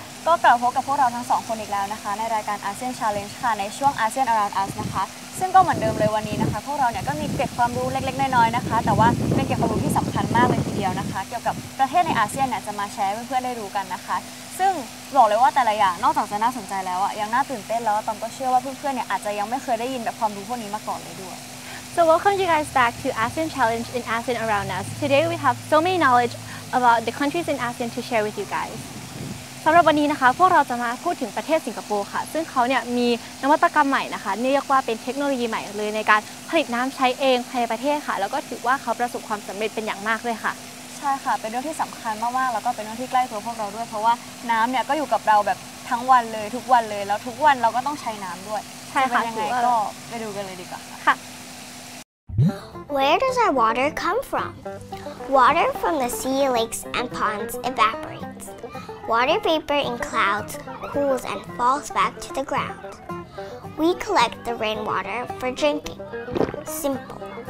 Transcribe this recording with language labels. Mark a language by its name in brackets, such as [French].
[Thai] ก็กลับพบกับพวกเราทั้งสองคนอีกแล้วนะคะในรายการ ASEAN Challenge ค่ะในช่วง ASEAN Around Us นะคะซึ่งก็เหมือนเดิมเลยวันนี้นะคะพวกเราเนี่ยก็มีเก็บความรู้เล็กๆน้อยๆนะคะแต่ว่าเป็นเก็บความรู้ที่สำคัญมากเลยทีเดียวนะคะเกี่ยวกับประเทศใน ASEAN เนี่ยจะมาแชร์ให้เพื่อนๆได้รู้กันนะคะซึ่งบอกเลยว่าแต่ละอย่างนอกจากจะน่าสนใจแล้วอะยังน่าตื่นเต้นแล้วตอมก็เชื่อว่าเพื่อนๆเนี่ยอาจจะยังไม่เคยได้ยินแบบความรู้พวกนี้มาก่อนเลยด้วย [English] So welcome you guys back to ASEAN Challenge in ASEAN Around Us Today we have so many knowledgeabout the countries in ASEAN to share with you guys. [Thai] สำหรับวันนี้นะคะพวกเราจะมาพูดถึงประเทศสิงคโปร์ค่ะซึ่งเขาเนี่ยมีนวัตกรรมใหม่นะคะเรียกว่าเป็นเทคโนโลยีใหม่เลยในการผลิตน้ำใช้เองภายในประเทศค่ะแล้วก็ถือว่าเขาประสบความสำเร็จเป็นอย่างมากด้วยค่ะ ใช่ค่ะเป็นเรื่องที่สำคัญมากๆแล้วก็เป็นเรื่องที่ใกล้ตัวพวกเราด้วยเพราะว่าน้ำเนี่ยก็อยู่กับเราแบบทั้งวันเลยทุกวันเลยแล้วทุกวันเราก็ต้องใช้น้ำด้วย ใช่ค่ะ ยังไงก็ไปดูกันเลยดีกว่า ค่ะ [English] Where does our water come from? Water from the sea, lakes, and ponds evaporates. Water vapor in clouds cools and falls back to the ground. We collect the rainwater for drinking. Simple.